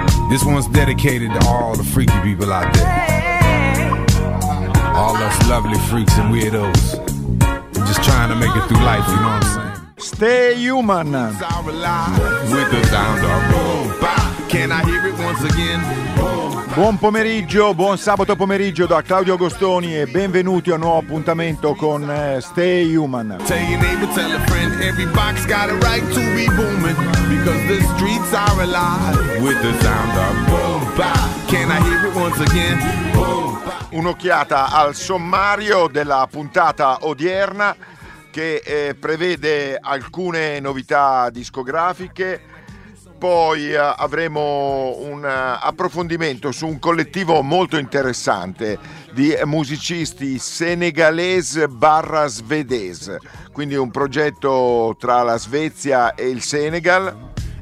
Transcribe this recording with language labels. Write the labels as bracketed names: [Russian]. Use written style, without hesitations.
[English] This one's dedicated to all the freaky people out there. All us lovely freaks and weirdos. We're just trying to make it through life, you know what I'm saying? Stay human. With the sound of can I hear it once again? [Italian] Buon pomeriggio, buon sabato pomeriggio da Claudio Agostoni e benvenuti a un nuovo appuntamento con Stay Human. [English] Tell your neighbor, tell a friend, every box got a right to be booming, because the streets are alive with the sound of boom bop. Can I hear it once again? Boom bop. [Italian] Un'occhiata al sommario della puntata odierna che prevede alcune novità discografiche. Poi avremo un approfondimento su un collettivo molto interessante di musicisti senegalese barra svedese, quindi un progetto tra la Svezia e il Senegal.